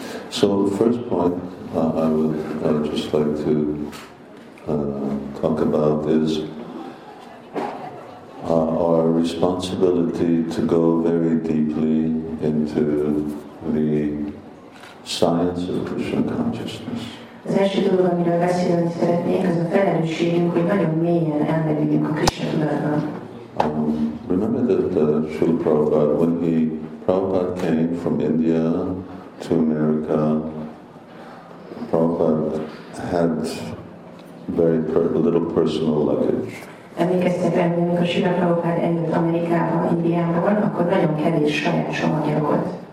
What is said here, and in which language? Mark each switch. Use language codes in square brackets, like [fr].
[en] So the first point I would just like to talk about is our responsibility to go very deeply into the science of Krishna consciousness. [hu] Az első dolog, amiről beszélni szeretnék, az a felelősségünk, hogy nagyon mélyen elmerüljünk a Krishna tudatba. [en] Remember that Srila Prabhupada, when he Prabhupada came from India to America, Prabhupada had very little personal luggage. [hu] Emlékeztek rá, amikor Srila Prabhupada eljött Amerikába, Indiából, akkor nagyon kevés saját csomagja volt.